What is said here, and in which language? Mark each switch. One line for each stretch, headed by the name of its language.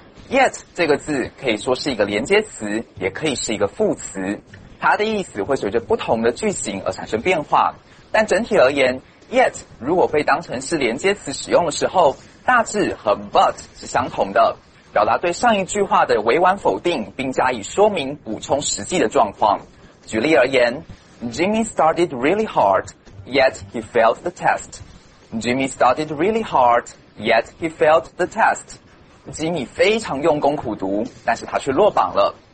Chinese: Yet 这个字可以说是一个连接词也可以是一个副词它的意思会随着不同的句型而产生变化但整体而言 yet 如果被当成是连接词使用的时候，大致和 but 是相同的，表达对上一句话的委婉否定，并加以说明补充实际的状况。举例而言，
English: Jimmy started really hard, yet he failed the test. Jimmy started really hard, yet he failed the test.
Chinese: 吉米非常用功苦读，但是他却落榜了。